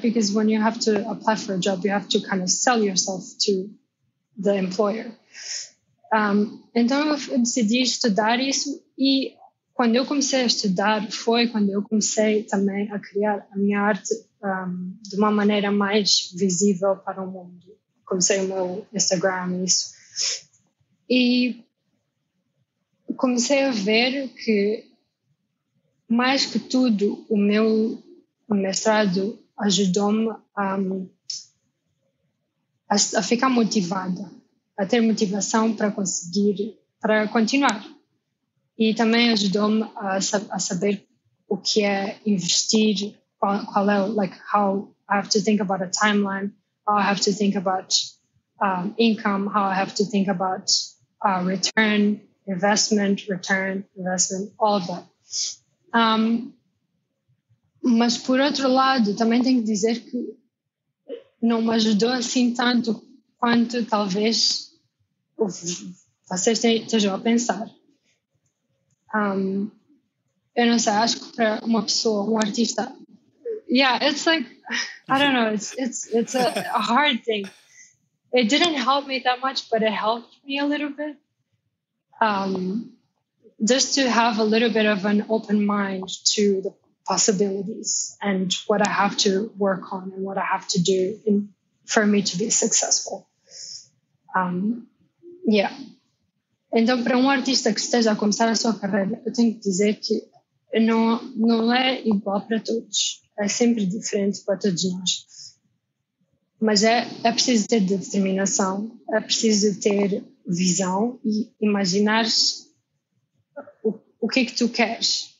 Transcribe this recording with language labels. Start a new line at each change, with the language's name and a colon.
English: Because when you have to apply for a job, you have to kind of sell yourself to the employer.
Portuguese: Então eu decidi estudar isso, e quando eu comecei a estudar foi quando eu comecei também a criar a minha arte de uma maneira mais visível para o mundo. Comecei o meu Instagram e isso. E comecei a ver que, mais que tudo, o mestrado ajudou-me a ficar motivada, a ter motivação para conseguir, para continuar. E também ajudou-me a saber o que é investir, qual é,
English: like, how I have to think about a timeline, how I have to think about income, how I have to think about return, investment, all of that.
Portuguese: Mas, por outro lado, também tenho que dizer que não me ajudou assim tanto quanto talvez vocês estejam a pensar. Eu não sei, acho que para uma pessoa, um artista...
English: Yeah, it's like... I don't know, it's a hard thing. It didn't help me that much, but it helped me a little bit. Just to have a little bit of an open mind to the possibilities and what I have to work on and what I have to do in, for me to be successful. Yeah.
Portuguese: Então, para artista que esteja a começar a sua carreira, eu tenho que dizer que não é igual para todos. É sempre diferente para todos nós. Mas é preciso ter determinação, é preciso ter visão e imaginar o que é que tu queres.